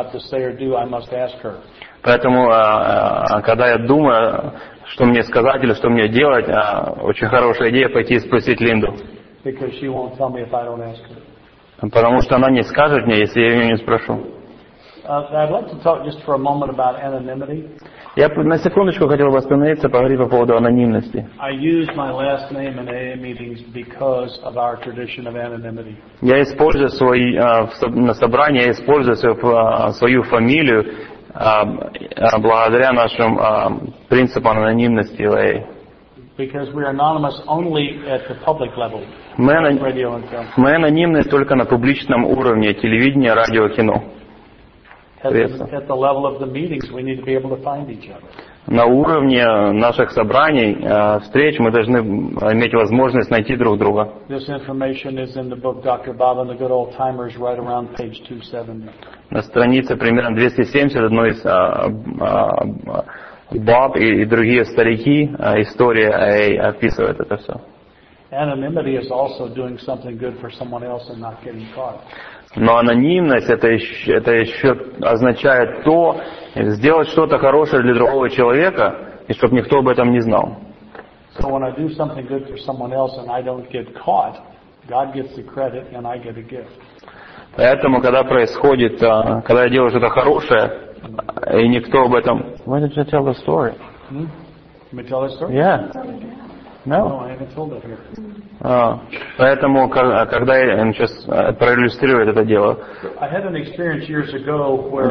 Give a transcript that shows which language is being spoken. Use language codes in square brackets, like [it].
[ru] Поэтому, когда я думаю, что мне сказать или что мне делать, очень хорошая идея пойти и спросить Линду. Потому что она не скажет мне, если я ее не спрошу. [en] I'd like to talk just for a moment about anonymity. [ru] Я на секундочку хотел бы остановиться, поговорить по поводу анонимности. [en] I use my last name in AA meetings because of our tradition of anonymity. [ru] Я использую свой на собрании я использую свою фамилию благодаря нашим принципам анонимности в AA. [en] Because we are anonymous only at the public level. [ru] Мы анонимны только на публичном уровне телевидения, радио, кино. [en] At the level of the meetings, we need to be able to find each other. [ru] На уровне наших собраний, встреч, мы должны иметь возможность найти друг друга. [en] This information is in the book Dr. Bob and the Good Old Timers, right around page 270. [ru] На странице примерно 270 одной из Bob и другие старики история описывает это все. [en] Anonymity is also doing something good for someone else and not getting caught. [ru] Но анонимность это еще означает то, сделать что-то хорошее для другого человека, и чтобы никто об этом не знал. [en] So when I do something good for someone else and I don't get caught, God gets the credit and I get a gift. [ru] Поэтому, когда происходит, когда я делаю что-то хорошее, и никто об этом. [en] Why did you tell the story? Can we tell the story? Yeah. No, I haven't told it here. [ru] Поэтому, когда я сейчас проиллюстрирую это дело. [en] I had an experience years ago where